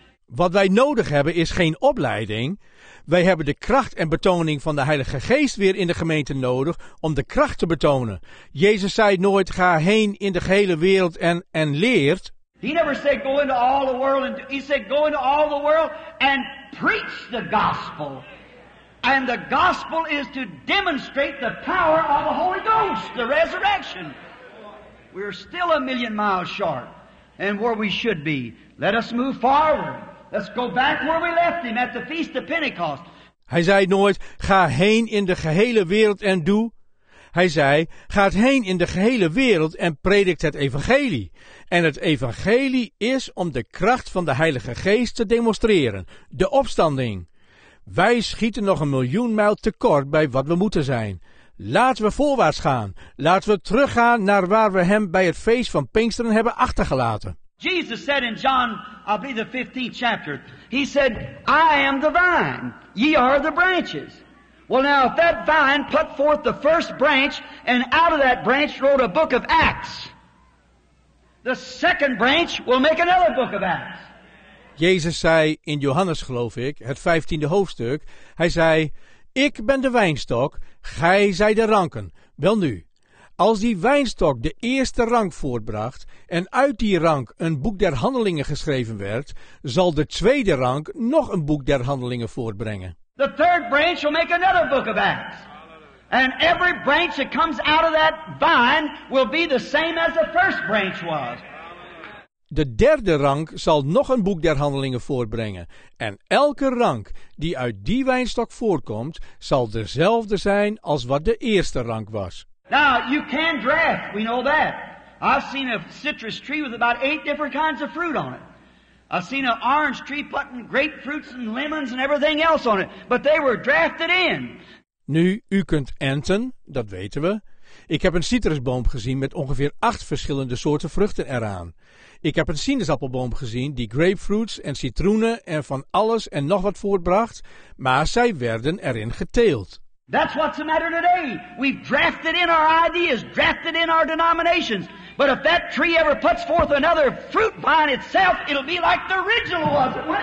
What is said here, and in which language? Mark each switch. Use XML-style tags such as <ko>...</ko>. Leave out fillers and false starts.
<nl>Wat wij nodig hebben is geen opleiding. Wij hebben de kracht en betoning van de Heilige Geest weer in de gemeente nodig om de kracht te betonen. Jezus zei nooit, ga heen in de gehele wereld en leert.</nl> <en>He never said go into all the world. He said go into all the world and preach the gospel. And the gospel is to demonstrate the power of the Holy Ghost, the resurrection. We're still a million miles short and where we should be. Let us move forward. Let's go back where we left him at the feast of Pentecost.</en> <nl>Hij zei nooit, ga heen in de gehele wereld en doe. Hij zei, ga heen in de gehele wereld en predikt het evangelie. En het evangelie is om de kracht van de Heilige Geest te demonstreren, de opstanding. Wij schieten nog een miljoen mijl tekort bij wat we moeten zijn. Laten we voorwaarts gaan. Laten we teruggaan naar waar we hem bij het feest van Pinksteren hebben achtergelaten.</nl> <en>Jesus said in John, I believe the 15th chapter, he said, I am the vine, ye are the branches. Well, now, if that vine put forth the first branch, and out of that branch wrote a book of Acts, the second branch will make another book of Acts.</en> <nl>Jezus zei in Johannes, geloof ik, het 15e hoofdstuk, hij zei, ik ben de wijnstok, gij zij de ranken. Wel nu, als die wijnstok de eerste rank voortbracht en uit die rank een boek der handelingen geschreven werd, zal de tweede rank nog een boek der handelingen voortbrengen.</nl> <en>The third branch will make another book of Acts. And every branch that comes out of that vine will be the same as the first branch was.</en> <nl>De derde rank zal nog een boek der handelingen voortbrengen. En elke rank die uit die wijnstok voorkomt, zal dezelfde zijn als wat de eerste rank was.</nl> <en>Now, you can draft, we know that. I've seen a citrus tree with about 8 different kinds of fruit on it. I've seen an orange tree putting grapefruits and lemons and everything else on it. But they were drafted in.</en> <nl>Nu, u kunt enten, dat weten we. Ik heb een citrusboom gezien met ongeveer 8 verschillende soorten vruchten eraan. Ik heb een sinaasappelboom gezien die grapefruits en citroenen en van alles en nog wat voortbracht, maar zij werden erin geteeld.</nl> <en>That's what's the matter today. We've drafted in our ideas, drafted in our denominations. But if that tree ever puts forth another fruit vine itself, it'll be like the original was.</en>